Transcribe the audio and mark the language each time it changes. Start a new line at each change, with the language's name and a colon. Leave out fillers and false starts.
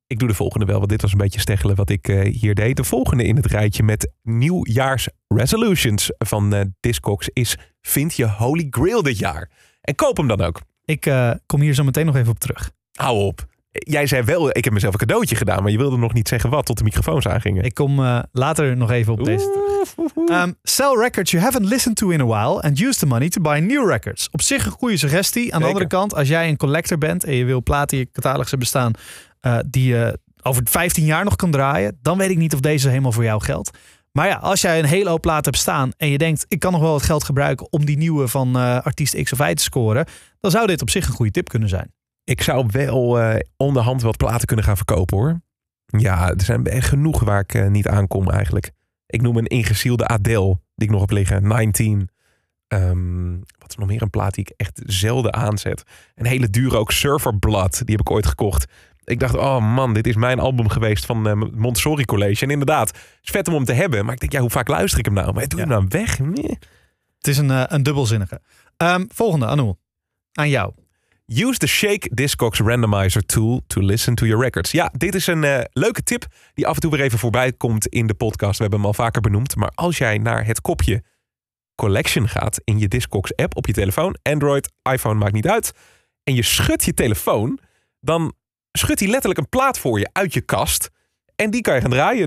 Dutch: Ik doe de volgende wel, want dit was een beetje steggelen wat ik hier deed. De volgende in het rijtje met nieuwjaars resolutions van Discogs is: vind je Holy Grail dit jaar? En koop hem dan ook. Ik kom hier zo meteen nog even op terug. Hou op. Jij zei wel, ik heb mezelf een cadeautje gedaan, maar je wilde nog niet zeggen wat tot de microfoons aangingen. Ik kom later nog even op deze terug.
English: Sell records you haven't listened to in a while and use the money to buy new records.
Dutch: Op zich een goede suggestie. Aan de andere kant, als jij een collector bent en je wil platen in je catalogus hebben staan die je over 15 jaar nog kan draaien, dan weet ik niet of deze helemaal voor jou geldt. Maar ja, als jij een hele hoop plaat hebt staan en je denkt, ik kan nog wel wat geld gebruiken om die nieuwe van artiest X of Y te scoren, dan zou dit op zich een goede tip kunnen zijn. Ik zou wel onderhand wat platen kunnen gaan verkopen, hoor. Ja, er zijn genoeg waar ik niet aankom eigenlijk. Ik noem een ingezielde Adele, die ik nog heb liggen. 19. Wat is nog meer een plaat die ik echt zelden aanzet? Een hele dure ook, Surfer Blood. Die heb ik ooit gekocht. Ik dacht, oh man, dit is mijn album geweest van Montessori College. En inderdaad, het is vet om hem te hebben. Maar ik denk, ja, hoe vaak luister ik hem nou? Maar doe je hem nou weg? Nee. Het is een dubbelzinnige. Volgende, Anul. Aan jou.
English: Use the Shake Discogs Randomizer Tool to listen to your records.
Dutch: Ja, dit is een leuke tip die af en toe weer even voorbij komt in de podcast. We hebben hem al vaker benoemd. Maar als jij naar het kopje Collection gaat in je Discogs app op je telefoon, Android, iPhone, maakt niet uit, en je schudt je telefoon, dan schudt hij letterlijk een plaat voor je uit je kast. En die kan je gaan draaien.